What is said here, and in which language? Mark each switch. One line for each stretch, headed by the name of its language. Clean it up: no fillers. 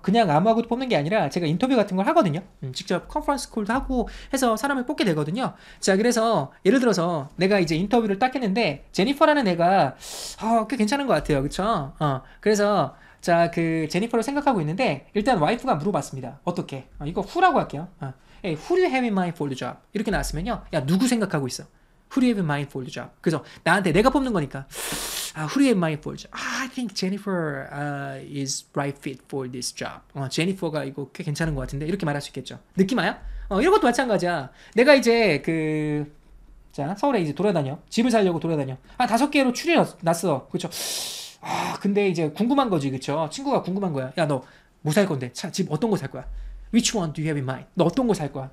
Korean: 그냥 아무하고도 뽑는 게 아니라 제가 인터뷰 같은 걸 하거든요. 직접 컨퍼런스 콜도 하고 해서 사람을 뽑게 되거든요. 자, 그래서 예를 들어서 내가 이제 인터뷰를 딱 했는데 제니퍼라는 애가 꽤 괜찮은 것 같아요. 그쵸? 그래서 자, 그 제니퍼를 생각하고 있는데 일단 와이프가 물어봤습니다. 어떻게? 이거 후라고 할게요.
English: Hey, who do you have in mind for the job?
Korean: 이렇게 나왔으면요. 야, 누구 생각하고 있어?
English: Who do you have in mind for the job?
Korean: 그래서 나한테 내가 뽑는 거니까.
English: Who do you have in mind for the job? I think Jennifer is right fit for this job.
Korean: 제니퍼가 이거 꽤 괜찮은 것 같은데? 이렇게 말할 수 있겠죠. 느낌 와요? 이런 것도 마찬가지야. 내가 이제 그... 자, 서울에 이제 돌아다녀. 집을 살려고 돌아다녀. 다섯 개로 추려 놨어. 그렇죠? 근데 이제 궁금한 거지, 그쵸? 친구가 궁금한 거야. 야, 너 뭐 살 건데? 차, 집 어떤 거 살 거야?
English: Which one do you have in mind?
Korean: 너 어떤 거 살 거야?